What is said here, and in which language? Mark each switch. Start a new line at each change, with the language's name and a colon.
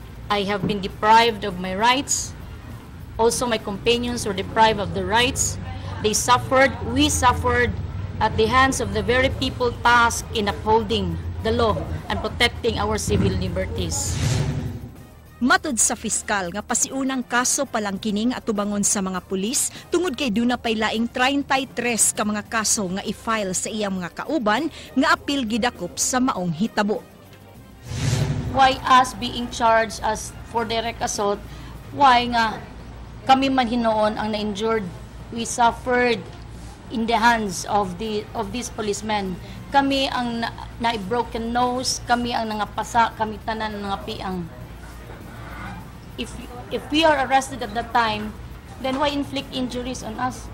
English: I have been deprived of my rights. Also, my companions were deprived of the rights. They suffered, we suffered at the hands of the very people tasked in upholding the law and protecting our civil liberties.
Cebuano: Matud sa fiskal nga pasiunang kaso pa lang kining atubangon sa mga pulis tungod kay duna pay laing 33 ka mga kaso nga i-file sa iyang mga kauban nga apil gidakop sa maong hitabo.
English: Why us being charged as for direct assault? Why
Cebuano: nga kami man hinoon ang na-injured?
English: We suffered in the hands of these policemen.
Cebuano: Kami ang na-broken nose, kami ang nangapasa, kami tanan ng apiang.
English: If we are arrested at that time, then why inflict injuries on us?